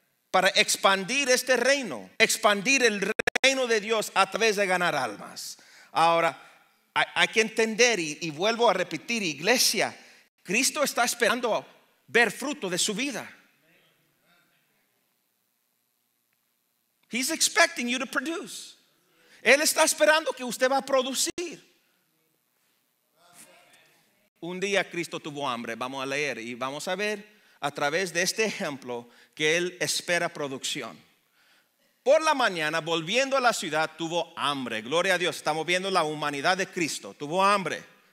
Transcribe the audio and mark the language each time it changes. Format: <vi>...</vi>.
<es>Para expandir este reino, expandir el reino de Dios a través de ganar almas. Ahora hay que entender, y vuelvo a repetir, iglesia, Cristo está esperando ver fruto de su vida.</es> <en>He's expecting you to produce.</en> <es>Él está esperando que usted va a producir. Un día Cristo tuvo hambre, vamos a leer y vamos a ver a través de este ejemplo que Él espera producción. Por la mañana, volviendo a la ciudad, tuvo hambre. Gloria a Dios, estamos viendo la humanidad de Cristo. Tuvo hambre.</es>